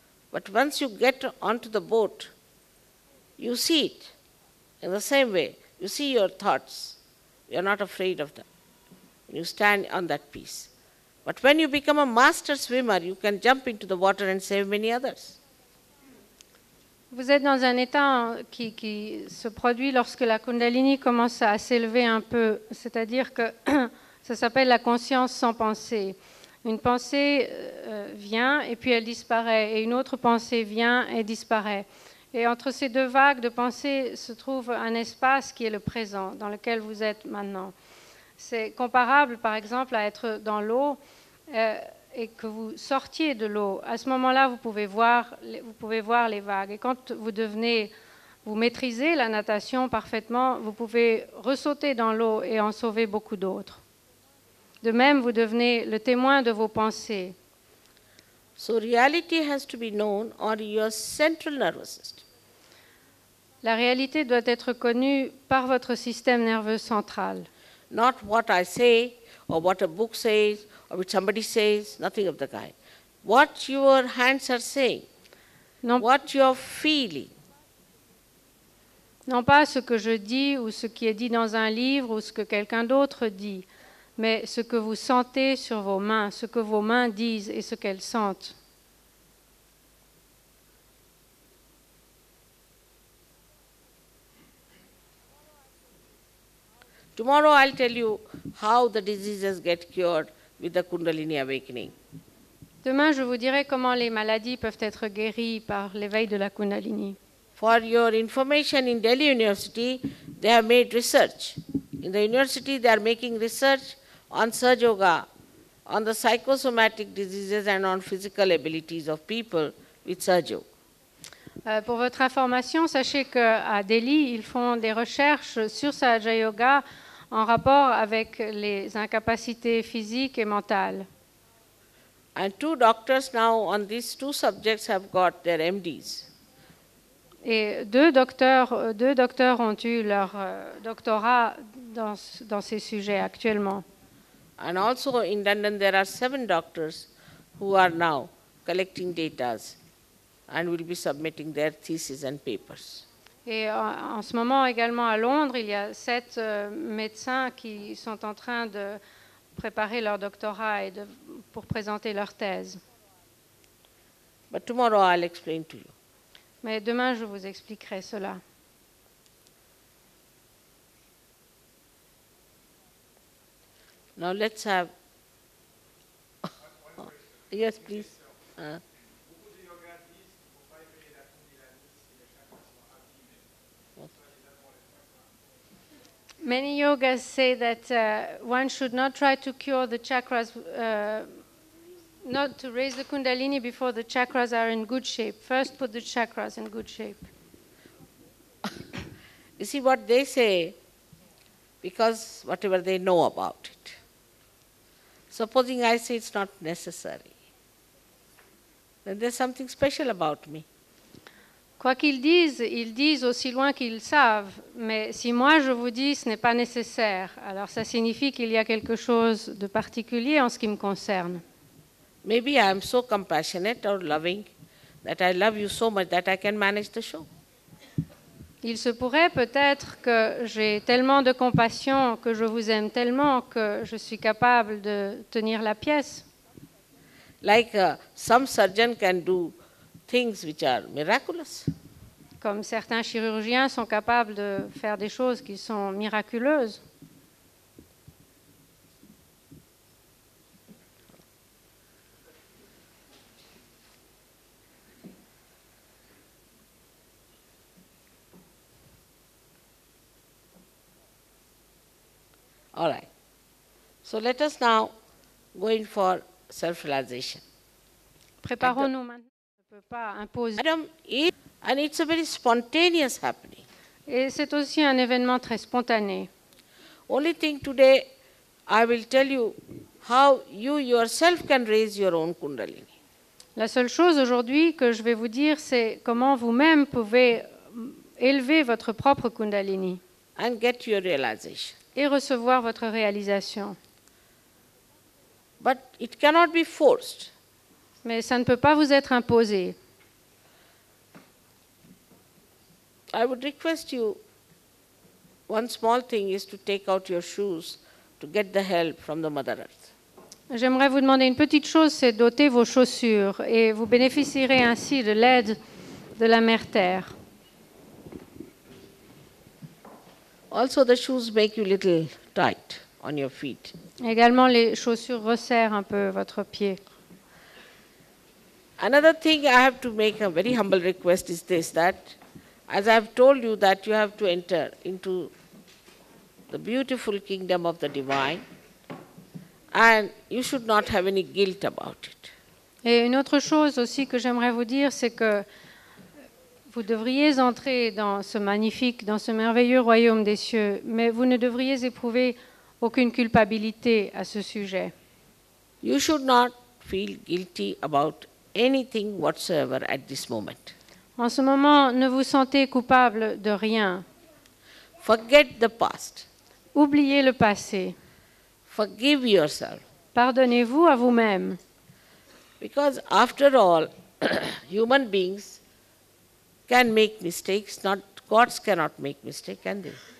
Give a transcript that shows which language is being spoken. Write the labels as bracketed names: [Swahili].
[English] But once you get onto the boat, you see it in the same way. You see your thoughts, you are not afraid of them. You stand on that piece. But when you become a master swimmer, you can jump into the water and save many others. [French] Vous êtes dans un état qui se produit lorsque la Kundalini commence à s'élever un peu, c'est-à-dire que ça s'appelle la conscience sans pensée. Une pensée vient et puis elle disparaît, et une autre pensée vient et disparaît. Et entre ces deux vagues de pensée se trouve un espace qui est le présent, dans lequel vous êtes maintenant. C'est comparable, par exemple, à être dans l'eau et que vous sortiez de l'eau. À ce moment-là, vous pouvez voir les vagues. Et quand vous maîtrisez la natation parfaitement, vous pouvez ressauter dans l'eau et en sauver beaucoup d'autres. De même, vous devenez le témoin de vos pensées. [English] So reality has to be known on your central nervous system. [French] La réalité doit être connue par votre système nerveux central. [English] Not what I say, or what a book says, or what somebody says, nothing of the kind. What your hands are saying, non, what you are feeling. [French] Non pas ce que je dis, ou ce qui est dit dans un livre, ou ce que quelqu'un d'autre dit, mais ce que vous sentez sur vos mains, ce que vos mains disent et ce qu'elles sentent. [English] Tomorrow I'll tell you how the diseases get cured with the Kundalini awakening. [French] Demain, je vous dirai comment les maladies peuvent être guéries par l'éveil de la Kundalini. [English] For your information, in Delhi University, they have made research. In the university, they are making research on Sahaj Yoga, on the psychosomatic diseases and on physical abilities of people with Sahaj Yoga. [French] Pour votre information, sachez qu'à Delhi, ils font des recherches sur Sahaja Yoga en rapport avec les incapacités physiques et mentales. [English] And two doctors now on these two subjects have got their MDs. [French] Et deux docteurs ont eu leur doctorat dans ces sujets actuellement. [English] And also in London there are 7 doctors who are now collecting data. And will be submitting their theses and papers. [French] Et en ce moment également à Londres, il y a 7 médecins qui sont en train de préparer leur doctorat et pour présenter leur thèse. [English] But tomorrow I'll explain to you. [French] Mais demain je vous expliquerai cela. [English] Now let's have. Yes, please. Many yogas say that one should not try to cure the chakras, not to raise the Kundalini before the chakras are in good shape. First put the chakras in good shape. You see what they say, because whatever they know about it. Supposing I say it's not necessary, then there's something special about me. [French] Quoi qu'ils disent, ils disent aussi loin qu'ils savent, mais si moi je vous dis ce n'est pas nécessaire, alors ça signifie qu'il y a quelque chose de particulier en ce qui me concerne. [English] Maybe I am so compassionate or loving that I love you so much that I can manage the show. [French] Il se pourrait peut-être que j'ai tellement de compassion, que je vous aime tellement, que je suis capable de tenir la pièce. [English] Like some surgeon can do things which are miraculous. [French] Comme certains chirurgiens sont capables de faire des choses qui sont miraculeuses. [English] Okay. All right. So let us now go in for self-realization. [French] Préparons-nous maintenant. Je ne peux pas imposer. [English] And it's a very spontaneous happening. [French] Et c'est aussi un événement très spontané. [English] Only thing today, I will tell you how you yourself can raise your own Kundalini. [French] La seule chose aujourd'hui que je vais vous dire, c'est comment vous-même pouvez élever votre propre Kundalini. [English] And get your realization. [French] Et recevoir votre réalisation. [English] But it cannot be forced. [French] Mais ça ne peut pas vous être imposé. [English] I would request you, one small thing is to take out your shoes to get the help from the Mother Earth. [French] J'aimerais vous demander une petite chose, c'est d'ôter vos chaussures et vous bénéficierez ainsi de l'aide de la Mère Terre. [English] Also, the shoes make you a little tight on your feet. [French] Également, les chaussures resserrent un peu votre pied. [English] Another thing I have to make a very humble request is this, that as I have told you that you have to enter into the beautiful kingdom of the divine and you should not have any guilt about it. [French] Et une autre chose aussi que j'aimerais vous dire, c'est que vous devriez entrer dans ce magnifique, dans ce merveilleux royaume des cieux, mais vous ne devriez éprouver aucune culpabilité à ce sujet. [English] You should not feel guilty about anything whatsoever at this moment. [French] En ce moment, ne vous sentez coupable de rien. [English] Forget the past. [French] Oubliez le passé. [English] Forgive yourself. [French] Pardonnez-vous à vous-même. [English] Because after all, human beings can make mistakes, not gods cannot make mistakes, can they?